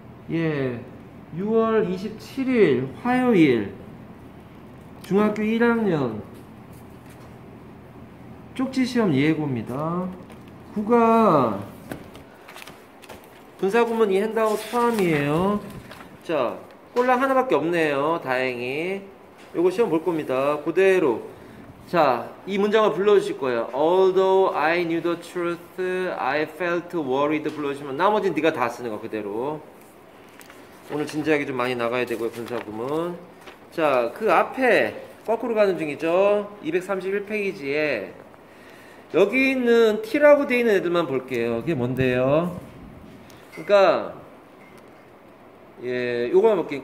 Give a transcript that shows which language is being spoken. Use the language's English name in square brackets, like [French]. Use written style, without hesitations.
[Korean] 예, 6월 27일 화요일 중학교 1학년 쪽지 시험 예고입니다. 국어 분사구문 이 핸드아웃 처음이에요. 자, 꼴랑 하나밖에 없네요. 다행히 요거 시험 볼 겁니다. 그대로. 자, 이 문장을 불러주실 거예요. [English] Although I knew the truth, I felt worried. [Korean] 불러주시면 나머지는 네가 다 쓰는 거 그대로. 오늘 진지하게 좀 많이 나가야 되고요, 분사구문. 자, 그 앞에 거꾸로 가는 중이죠. 231페이지에 여기 있는 T라고 되어 있는 애들만 볼게요. 그게 뭔데요? 그러니까 예, 요거만 볼게요.